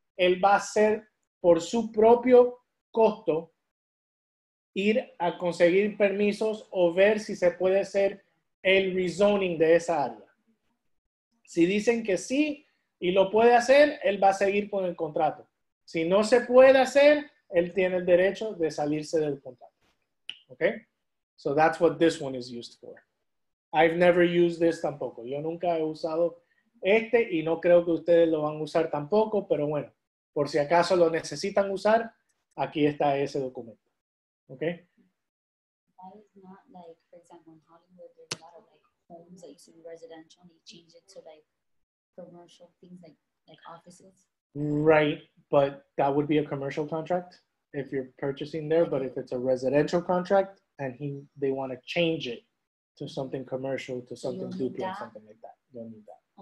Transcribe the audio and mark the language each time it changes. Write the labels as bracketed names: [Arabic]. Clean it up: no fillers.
[Spanish] Él va a hacer por su propio costo ir a conseguir permisos o ver si se puede hacer el rezoning de esa área. Si dicen que sí y lo puede hacer, él va a seguir con el contrato. Si no se puede hacer, él tiene el derecho de salirse del contrato. Okay? [English] So that's what this one is used for. I've never used this tampoco. [Spanish] Yo nunca he usado este y no creo que ustedes lo van a usar tampoco, pero bueno, por si acaso lo necesitan usar, aquí está ese documento. Okay. [English] Why is not like, for example, in Hollywood, there's a lot of like homes that used to be residential and they change it to like commercial things like offices. Right, but that would be a commercial contract if you're purchasing there. But if it's a residential contract and they want to change it to something commercial, to something duplex, something like that, you don't need that.